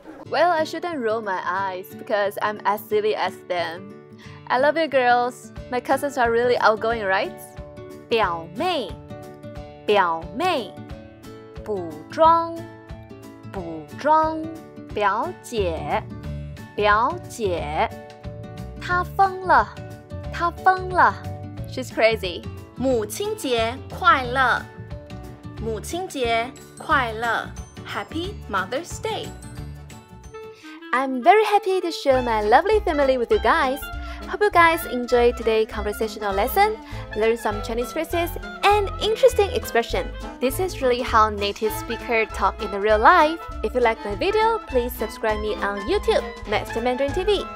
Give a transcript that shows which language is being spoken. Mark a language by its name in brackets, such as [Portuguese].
[English] Well, I shouldn't roll my eyes because I'm as silly as them. I love you girls. My cousins are really outgoing, right? [Chinese] 表妹，表妹，补妆，补妆，表姐，表姐，她疯了，她疯了。 [English] She's crazy. [Chinese] 母亲节快乐，母亲节快乐。 [English] Happy Mother's Day. I'm very happy to share my lovely family with you guys. Hope you guys enjoy today's conversational lesson, learn some Chinese phrases and interesting expression. This is really how native speakers talk in the real life. If you like my video, please subscribe me on YouTube, Master Mandarin TV.